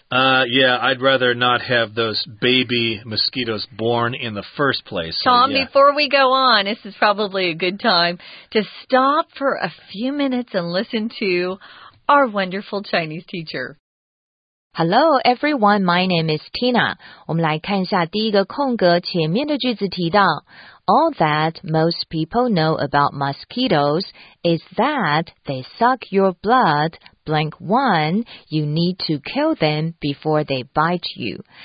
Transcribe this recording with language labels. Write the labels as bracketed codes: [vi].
[en] Yeah, I'd rather not have those baby mosquitoes born in the first place. Tom, yeah. Before we go on, this is probably a good time to stop for a few minutes and listen to our wonderful Chinese teacher. Hello, everyone. My name is Tina. [zh] 我们来看一下第一个空格前面的句子提到。 [en] All that most people know about mosquitoes is that they suck your blood, blank one, you need to kill them before they bite you.